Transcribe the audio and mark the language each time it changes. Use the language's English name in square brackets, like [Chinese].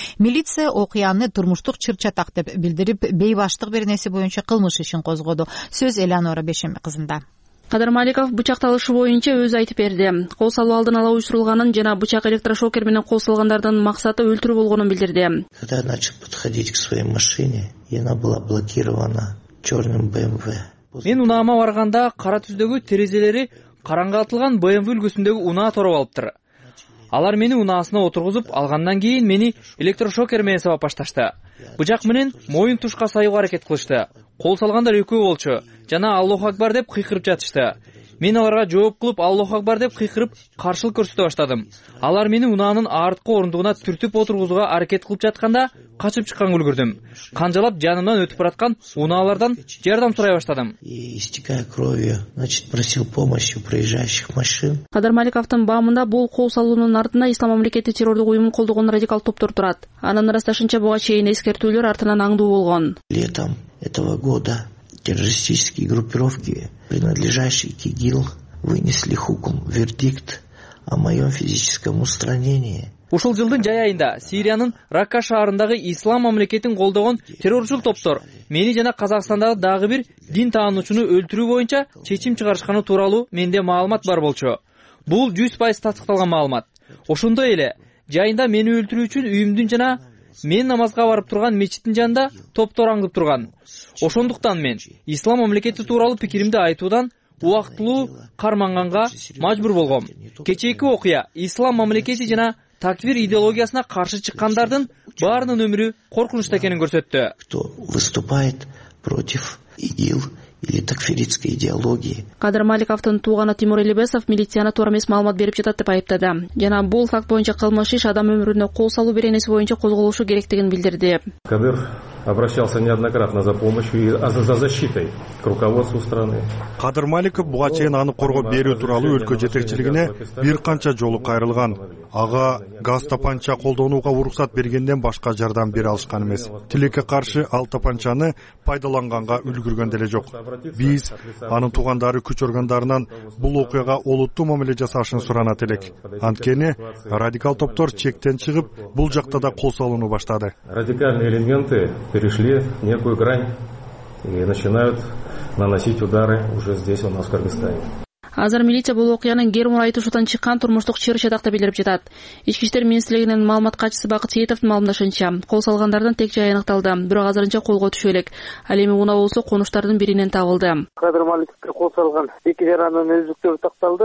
[Kyrgyz] Милиция окуяны турмуштук чыр чатак деп билдирип, бейбаштык беренеси боюнча кылмыш ишин козгоду. Сөз Элеонора Бешенби кызында. Кадыр Маликов бычакталышы боюнча өзү айтып берди. Кол салуу алдын ала уюштурулганын жана бычак электрошокер менен кол салгандардын максаты өлтүрүү болгонун билдирди. [Russian] Когда я начал подходить к своей машине, и она была блокирована чёрным БМВ. [Kyrgyz] Мен унаама барганда кара түздөгү терезелери караңгылатылган БМВ үлгүсүндөгү унаа тороп алыптыр. Алар мени унаасына отургузуп, алгандан кийин мени электрошокер менен сабап башташты. Бычак менен моюн тушка саюуга аракет кылышты. Кол салгандар экөө болчу жана Аллах Акбар деп кыйкырып жатышты. Мен аларга жооп кылып Аллах Акбар деп кыйкырып каршылык көрсөтө баштадым. Алар мени унаанын арткы орундугуна түртүп отургузууга аракет кылып жатканда качып чыкканга үлгүрдүм. Канжалап жанымдан өтүп бараткан унаалардан жардам сурай баштадым. [Russian] Истекая кровью, значит, просил помощи проезжающих машин. [Kyrgyz] Кадыр Маликовтун баамында бул кол салуунун артында Ислам мамлекети террордук уюму колдогон радикал топтор турат. Анын ырасташынча буга чейин эскертүүлөр артынан аңдуу болгон. [Russian] Летом этого года террористические группировки, принадлежащие к ИГИЛ, вынесли хукм, вердикт о моем физическом устранении. [Kyrgyz] Ушул жылдын жай айында Сириянын Ракка шаарындагы Ислам мамлекетин колдогон терроризм топтор мени жана Казакстандагы дагы бир дин таануучуну өлтүрүү боюнча чечим чыгарышканы тууралуу менде маалымат бар болчу. Бул 100% тастыкталган маалымат. Ошондой эле жайында мени өлтүрүү үчүн үйүмдүн жана мен намазга барып турган мечиттин жанында топтор аңдып турган. Ошондуктан мен Ислам мамлекети тууралуу пикиримди айтуудан убактылуу карманганга мажбур болгом. Кечээки окуя Ислам мамлекети жана такфир идеологиясына каршы чыккандардын баарынын өмүрү коркунучта экенин көрсөттү. [Russian] Кто выступает против ИГИЛ или такфиритской идеологии? [Kyrgyz] Кадыр Маликовтун тууганы Тимур Элибесов милицияны туура эмес маалымат берип жатат деп айыптады. Жана бул факт боюнча кылмыш иш адам өмүрүнө кол салуу беренеси боюнча козголушу керектигин билдирди. Кадыр [Russian] обращался неоднократно за помощью и за защитой к руководству страны. [Kyrgyz] Кадыр Маликов буга чейин аны коргоо берүү тууралуу өлкө жетекчилигине бир канча жолу кайрылган. Ага газ тапанча колдонууга уруксат бергенден башка жардам бере алышкан эмес. Тилекке каршы ал тапанчаны пайдаланганга үлгүргөн деле жок. Биз анын туугандары, күч органдарынан бул окуяга олуттуу мамиле жасашын суранат элек. Анткени радикал топтор чектен чыгып, бул жакта да кол салынуу баштады. [Russian] Радикальные элементы перешли некую грань и начинают наносить удары уже здесь, у нас, в Кыргызстане. [Kyrgyz] Азыр милиция бул окуянын кер мурайтушудан чыккан турмуштук чыр чатакты билдирип жатат. Ички иштер министрлигинин маалымат катчысы Бакыт Сейитовдун маалымдашынча, кол салгандардын тек жайы аныкталды, бирок азырынча колго түшө элек. Ал эми унаа болсо конуштардын биринен табылды. Кадыр Маликовго кол салган эки жаранын өздүктөрү такталды.